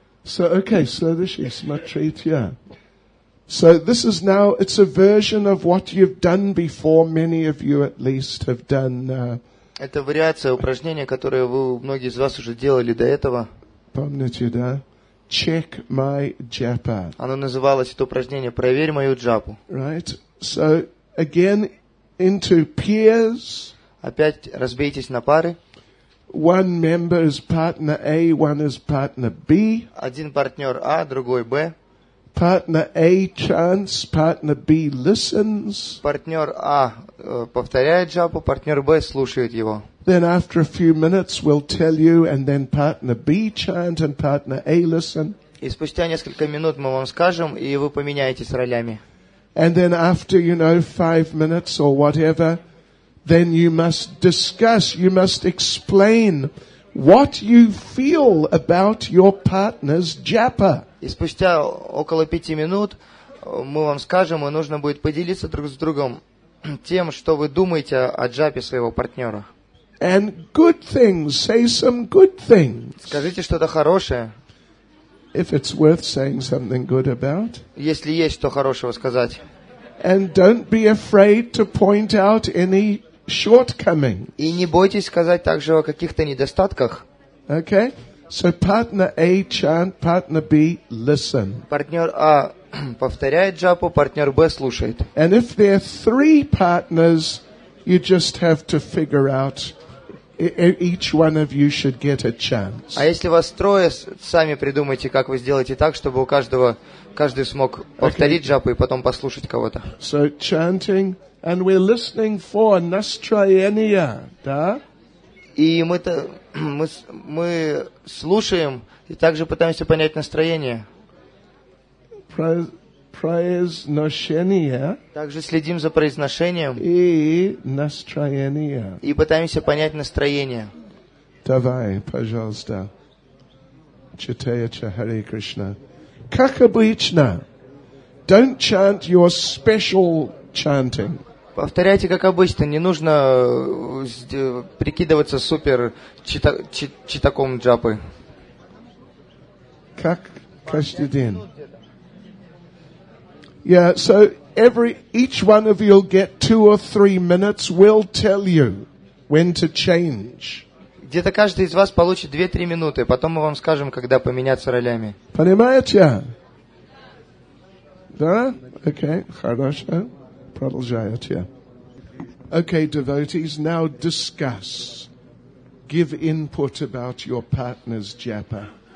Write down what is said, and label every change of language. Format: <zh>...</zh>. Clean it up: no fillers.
<en>So, okay, so this is my treat, yeah. So this is now, it's a version of what you've done before, many of you at least have done.</en> <ru>Это вариация упражнения, которое вы, многие из вас уже делали до этого. Помните, да?</ru> <en>Check my japa.</en> <ru>Оно называлось, это упражнение, проверь мою джапу.</ru> <en>Right? So, again, into peers.</en> <ru>Опять разбейтесь на пары.</ru> <en>One member is partner A, one is partner B.</en> <ru>Один партнер А, другой Б.</ru> <en>Partner A chants, partner B listens.</en> <ru>Партнер А повторяет джапу, партнер Б слушает его.</ru> <en>Then after a few minutes we'll tell you, and then partner B chant and partner A listen.</en> <ru>И спустя несколько минут мы вам скажем, и вы поменяетесь ролями.</ru> <en>And then after, you know, 5 minutes or whatever, then you must discuss, you must explain what you feel about your partner's japa.</en> <ru>И спустя около 5 минут мы вам скажем, и нужно будет поделиться друг с другом тем, что вы думаете о джапе своего партнера.</ru> <en>And good things, say some good things.</en> <ru>Скажите что-то хорошее.</ru> <en>If it's worth saying something good about.</en> <ru>Если есть что хорошего сказать.</ru> <en>And don't be afraid to point out any shortcomings.</en> <ru>И не бойтесь сказать также о каких-то недостатках.</ru> <en>Okay? So partner A chant, partner B listen.</en> <ru>Партнер А повторяет джапу, партнер Б слушает.</ru> <en>And if there are 3 partners, you just have to figure out each one of you should get a chance.</en> <ru>А если вас трое, сами придумайте, как вы сделаете так, чтобы у каждого каждый смог повторить okay. джапу и потом послушать кого-то.</ru> <en>So chanting, and we're listening for</en> <ru>настроение, да? И мы слушаем и также пытаемся понять настроение. Произношение. Также следим за произношением. И настроение. И пытаемся понять настроение. Давай, пожалуйста. Читаяча Хари Кришна. Как обычно.</ru> <en>Don't chant your special chanting.</en> <ru>Повторяйте, как обычно, не нужно прикидываться супер читаком джапы. Как каждый день.</ru> <en>Yeah, so each one of you will get 2 or 3 minutes, we'll tell you when to change.</en> <ru>Где-то каждый из вас получит 2-3 минуты, потом мы вам скажем, когда поменяться ролями. Понимаете? Да? Окей, хорошо. Продолжайте.</ru> <en>Okay, devotees, now discuss. Give input about your partner's japa.</en>